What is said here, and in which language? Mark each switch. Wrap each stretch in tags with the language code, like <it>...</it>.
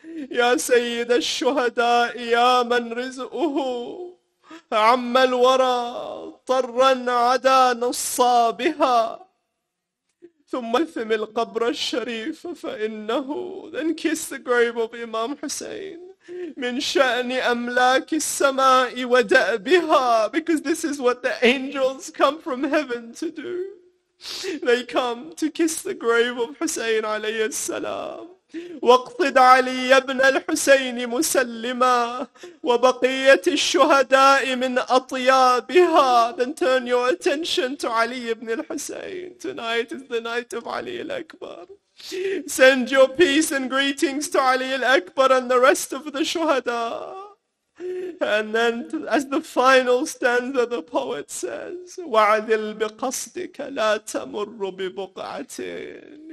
<ar>يا سيد الشهداء يا من رزقه عم الورى طرا عدا نصابها ثم اثم القبر الشريف فإنه.</ar> <en>Then kiss the grave of Imam Hussein.</en> <ar>من شأن أملاك السماء ودأبها.</ar> <en>Because this is what the angels come from heaven to do. They come to kiss the grave of Hussein alayhi salam.</en> <ar>واقصد علي بن الحسين مسلما وبقية الشهداء من أطيابها.</ar> <en>Then turn your attention to Ali ibn al-Husayn. Tonight is the night of Ali al-Akbar. Send your peace and greetings to Ali al-Akbar and the rest of the shuhada. And then as the final stanza the poet says,</en> <ar>وَعَذِلْ بِقَصْدِكَ لَا تَمُرُّ بِبُقْعَةٍ.</ar>